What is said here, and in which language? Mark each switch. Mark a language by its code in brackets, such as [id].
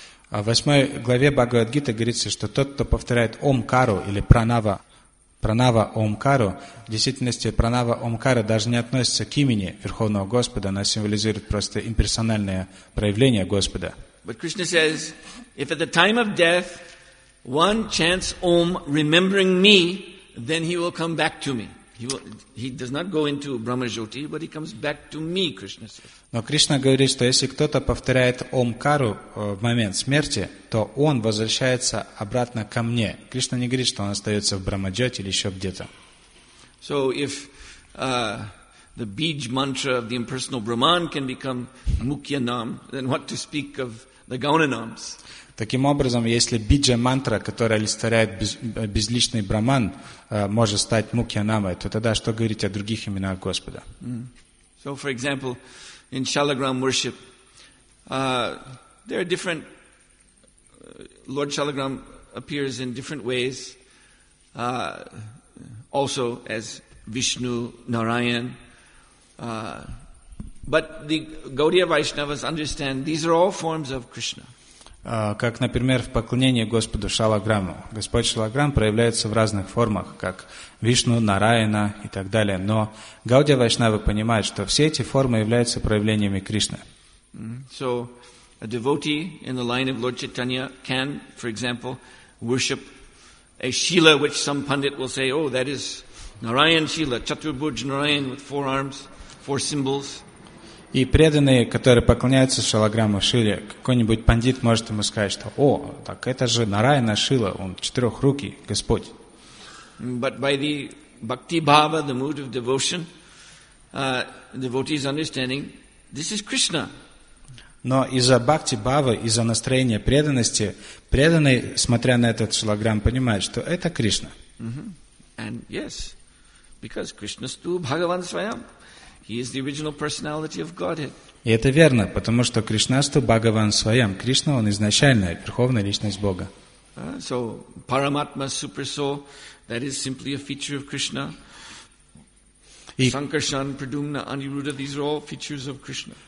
[ru] В 8 главе Бхагавад Гита говорится, что тот, кто повторяет омкару или пранава, пранава омкару, в действительности пранава омкара даже не относится к имени Верховного Господа, она символизирует просто имперсональное проявление Господа. [en] But Krishna says, if at the time of death one chants om remembering me, then he will come back to me. He does not go into Brahma Jyoti, but he comes back to me, Krishna says. [ru] Но Кришна говорит, что если кто-то повторяет омкару в момент смерти, то он возвращается обратно ко мне. Кришна не говорит, что он остается в Брахмаджоте или еще где-то. [en] So if the Bij mantra of the impersonal Brahman can become mukya nam, then what to speak of the gauna nams? [ru] Таким образом, если биджа мантра, которая олицетворяет безличный Брахман, может стать мукья намой, то тогда что говорить о других именах Господа? [en] So for example, in Shalagram worship, there are different. Lord Shalagram appears in different ways, also as Vishnu, Narayan. But the Gaudiya Vaishnavas understand these are all forms of Krishna. [ru] Как, например, в поклонении Господу Шалаграму. Господь Шалаграм проявляется в разных формах, как Вишну, Нараяна и так далее. Но Гаудия Вайшнавы понимает, что все эти формы являются проявлениями Кришны. [en] So, a devotee in the line of Lord Chaitanya can, for example, worship a Shila, which some pundit will say, oh, that is Narayan Shila, Chaturbhuj Narayan with four arms, four symbols. [ru] И преданные, которые поклоняются Шалаграму Шиле, какой-нибудь пандит может ему сказать, что «О, так это же Нараяна Шила, он четырехрукий Господь». [en] But by the bhakti bhava, the mood of devotion, devotee's understanding, this is Krishna. [ru] Но из-за бхакти бхавы, из-за настроения преданности, преданный, смотря на этот Шалаграм, понимает, что это Кришна. [en] Mm-hmm. And yes, because Krishna stu Bhagavan Svayam. He is the original personality of Godhead. [ru] И это верно, потому что Кришнасту Бхагаван Свайам. Кришна, он изначальная верховная личность Бога. [en] So, Paramatma Supersoul, that is simply a feature of Krishna. И Sankarshan, Pradumna, Aniruddha, these are all features of Krishna.